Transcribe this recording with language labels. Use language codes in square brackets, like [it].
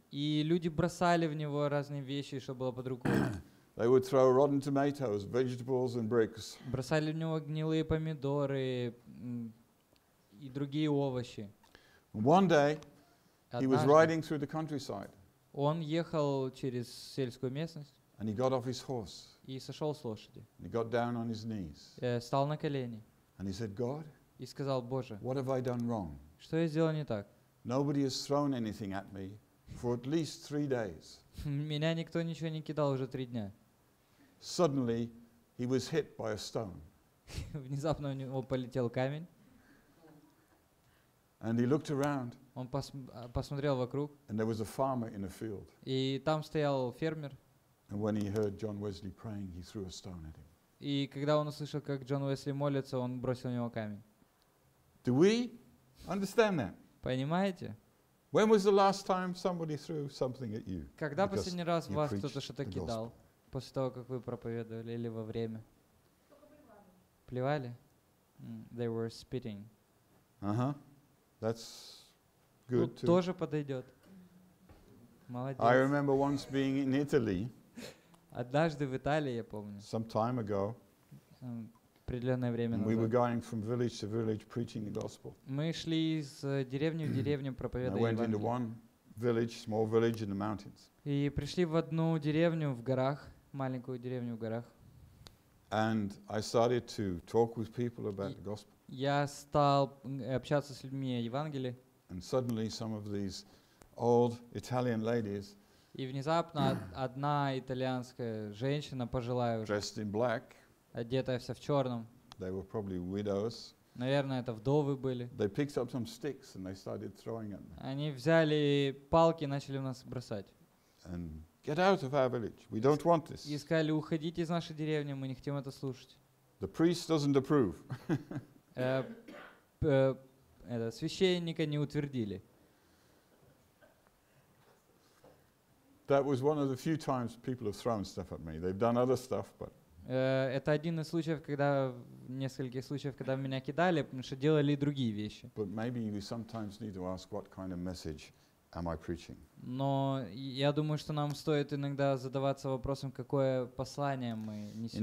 [ru] И люди бросали в него разные вещи, что было по-другому. [en] They would throw rotten tomatoes, vegetables and bricks. [ru] Бросали в него гнилые помидоры и другие овощи. [en] One day, he was riding through the countryside. [ru] Он ехал через сельскую местность. [en] And he got off his horse. [ru] И сошел с лошади. [en] And he got down on his knees. [ru] Встал на колени. [en] And he said, God, [ru] и сказал, Боже, [en] what have I done wrong? [ru] Что я сделал не так? [en] Nobody has thrown anything at me for at least 3 days. [ru] Меня никто ничего не кидал уже 3 дня. [en] Suddenly, he was hit by a stone. [ru] Внезапно у него полетел камень. [en] And he looked around. [ru] Он посмотрел вокруг. [en] And there was a farmer in a field. [ru] И там стоял фермер. [en] And when he heard John Wesley praying, he threw a stone at him. [ru] И когда он услышал, как Джон Уэсли молится, он бросил на него камень. [en] Do we understand that? [ru] Понимаете? [en] When was the last time somebody threw something at you? [ru] Когда последний раз вас кто-то что-то кидал после того, как вы проповедовали или во время? Плевали? [en] They were spitting. Uh-huh. That's good too. [ru] Тут тоже подойдет. Молодец. [en] I remember once being in Italy. [ru] Однажды в Италии, я помню. [en] Some time ago. [ru] Определенное время назад. [en] We were going from village to village preaching the gospel. [ru] Мы шли из деревни в деревню, проповедуя Евангелие. [en] And I went into one village, small village in the mountains. [ru] И пришли в одну деревню в горах, маленькую деревню в горах. [en] And I started to talk with people about the gospel. [ru] Я стал общаться с людьми о Евангелии. [en] And suddenly some of these old Italian ladies. [ru] И внезапно одна итальянская женщина, пожилая уже. [en] Dressed in black. [ru] Одетая вся в черном. [en] They were probably widows. [ru] Наверное, это вдовы были. [en] They picked up some sticks and they started throwing at me. [ru] Они взяли палки и начали в нас бросать. [en] And get out of our village. We don't want this. [ru] И сказали, уходите из нашей деревни, мы не хотим это слушать. [en] The priest doesn't approve. [ru] это, священника не утвердили. [en] That was one of the few times people have thrown stuff at me. They've done other stuff, but. [ru] Это один из случаев, когда нескольких случаев, когда меня кидали, потому что делали и другие вещи. [en] But maybe we sometimes need to ask what kind of message. Am I preaching? [ru] Но я думаю, что нам стоит иногда задаваться вопросом, какое послание мы несем.